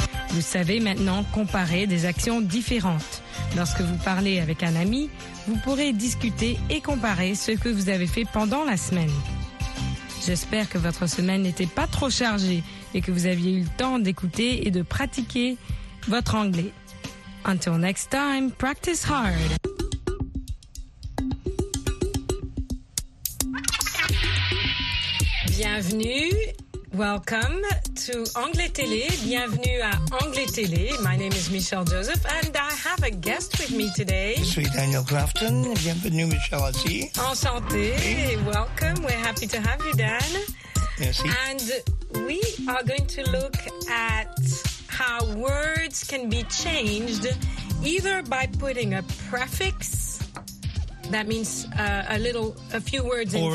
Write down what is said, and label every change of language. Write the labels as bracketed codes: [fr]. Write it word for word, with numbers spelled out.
[fr] Vous savez maintenant comparer des actions différentes. Lorsque vous parlez avec un ami, vous pourrez discuter et comparer ce que vous avez fait pendant la semaine. J'espère que votre semaine n'était pas trop chargée et que vous aviez eu le temps d'écouter et de pratiquer votre anglais. [en] Until next time, practice hard. [fr] Bienvenue. [en] Welcome to Anglais Télé. [fr] Bienvenue à Anglais Télé. [en] My name is Michelle Joseph and I have a guest with me today. [fr] Je suis Daniel Grafton. Bienvenue, Michelle aussi. Enchanté. [en] Hey. Welcome. We're happy to have you, Dan. [fr] Merci. [en] And we are going to look at how words can be changed either by putting a prefix, that means uh, a little, a few words in